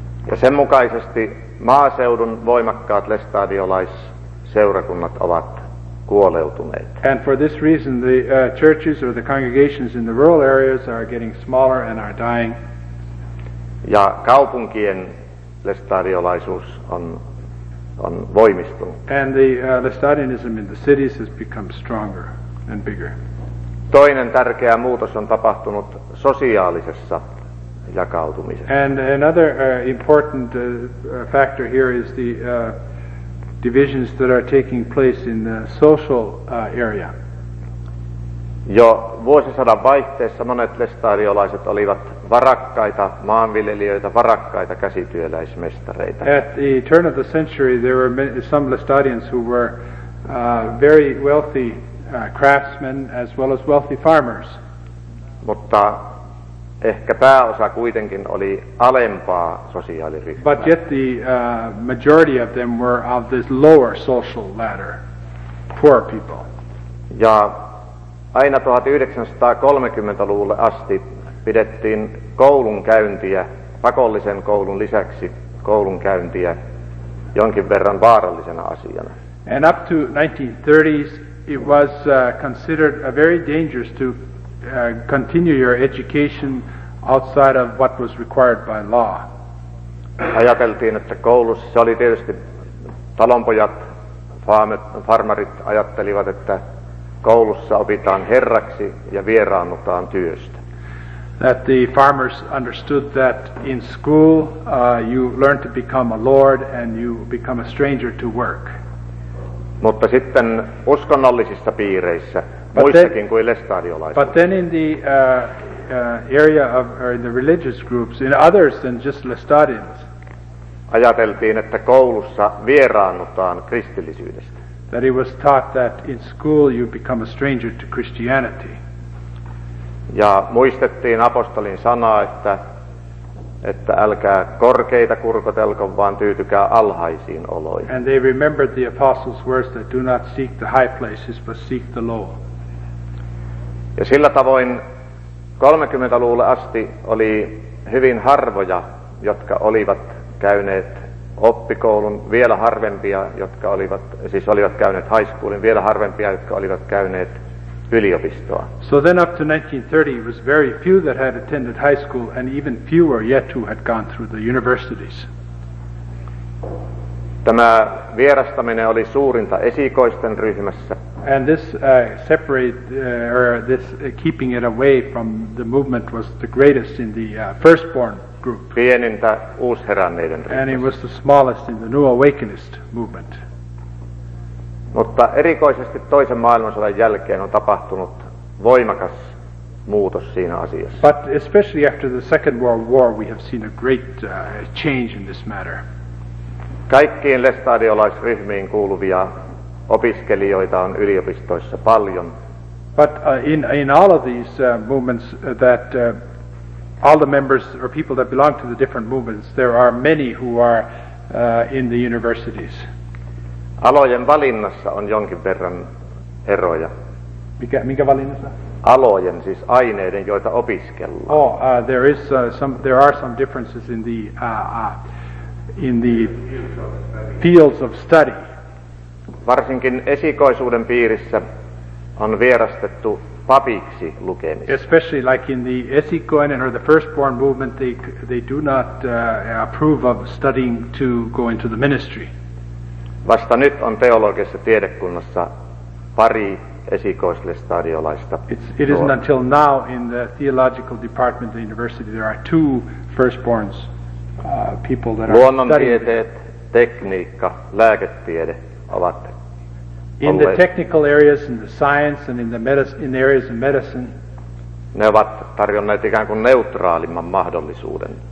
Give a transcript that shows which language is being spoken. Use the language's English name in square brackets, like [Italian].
[Finnish] Ja sen mukaisesti maaseudun voimakkaat lestadiolaisseurakunnat ovat kuoleutuneita. [English] And for this reason, the churches or the congregations in the rural areas are getting smaller and are dying. [Finnish] Ja kaupunkien lestadiolaisuus on voimistunut. [English] And the Lestadianism in the cities has become stronger and bigger. [Finnish] Toinen tärkeä muutos on tapahtunut sosiaalisessa jakautumisessa. [English] And another important factor here is the divisions that are taking place in the social area. [Finnish] Jo vuosisadan vaihteessa monet lestadiolaiset olivat varakkaita maanviljelijöitä, varakkaita käsityöläismestareita. [English] At the turn of the century there were many, some Lestadians who were very wealthy craftsmen as well as wealthy farmers. [Finnish] Mutta ehkä pääosa kuitenkin oli alempaa sosiaaliryhmää. [English] But yet the majority of them were of this lower social ladder, poor people. [Finnish] Ja aina 1930-luvulle asti pidettiin koulun käyntiä, pakollisen koulun lisäksi koulun käyntiä jonkin verran vaarallisena asiana. [English] And up to 1930s it was considered a very dangerous to continue your education outside of what was required by law. [Finnish] Ajateltiin, että koulussa se oli tietysti talonpojat, farmarit ajattelivat, että koulussa opitaan herraksi ja vieraannutaan työstä. [English] That the farmers understood that in school you learn to become a lord and you become a stranger to work. [Finnish] Mutta sitten uskonnollisissa piireissä, but muissakin then, kuin lestadiolaisissa. [English] But then in the area of or in the religious groups, in others than just Lestadians. [Finnish] Ajateltiin, että koulussa vieraannutaan kristillisyydestä. [English] That it was taught that in school you become a stranger to Christianity. [Finnish] Ja muistettiin apostolin sanaa, että älkää korkeita kurkotelko, vaan tyytykää alhaisiin oloihin. [English] And they remembered the apostles' words that do not seek the high places, but seek the low. [Finnish] Ja sillä tavoin 30-luvulle asti oli hyvin harvoja, jotka olivat käyneet oppikoulun, vielä harvempia, jotka olivat käyneet high schoolin, vielä harvempia, jotka olivat käyneet yliopistoa. [English] So then up to 1930 it was very few that had attended high school and even fewer yet who had gone through the universities. [Finnish] Tämä vierastaminen oli suurinta esikoisten ryhmässä. [English] And this keeping it away from the movement was the greatest in the firstborn group. [Finnish] Pienintä uusheränneiden ryhmässä. [English] And it was the smallest in the new awakenist movement. [Finnish] Mutta erikoisesti toisen maailmansodan jälkeen on tapahtunut voimakas muutos siinä asiassa. [English] But especially after the Second World War we have seen a great change in this matter. [Finnish] Kaikkiin lestadiolaisryhmiin kuuluvia opiskelijoita on yliopistoissa paljon. [English] But in all of these movements that all the members or people that belong to the different movements there are many who are in the universities. [Finnish] Alojen valinnassa on jonkin verran eroja. Mikä valinnassa? Alojen, siis aineiden, joita opiskellaan. [English] Oh, there are some differences in the fields of study. [Finnish] Varsinkin esikoisuuden piirissä on vierastettu papiksi lukemista. [English] Especially like in the esikoinen or the firstborn movement, they do not approve of studying to go into the ministry. [Finnish] Vasta nyt on teologisessa tiedekunnassa pari esikoislestadiolaista. [English] It isn't until now in the theological department of the university there are two firstborns people that are studying. [Finnish] Luonnontieteet, tekniikka, lääketiede ovat olleet. [English] In the technical areas, in the science and in the areas of medicine. [Finnish] Ne ovat tarjonneet ikään kuin neutraalimman mahdollisuuden.